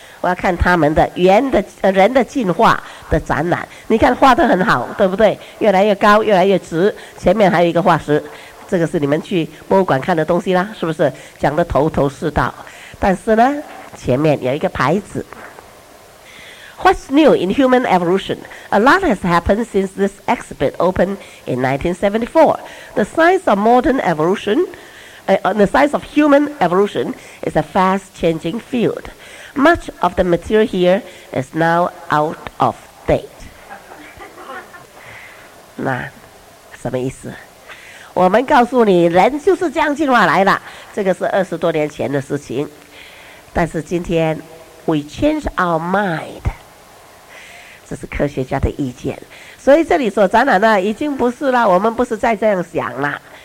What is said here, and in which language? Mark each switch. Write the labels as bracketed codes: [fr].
[zh] 我要看他们的人的进化的展览。你看画得很好，对不对？越来越高，越来越直，前面还有一个化石，这个是你们去博物馆看的东西啦，是不是？讲得头头是道。但是呢前面有一个牌子， [en] What's new in human evolution? A lot has happened since this exhibit opened in 1974. The science of modern evolution, the science of human evolution is a fast-changing field. Much of the material here is now out of date. [zh] 那什么意思？我们告诉你，人就是这样进化来的。这个是20多年前的事情。但是今天 ， [en] we change our mind。 [zh] 这是科学家的意见。所以这里所展览的已经不是了，我们不是再这样想了。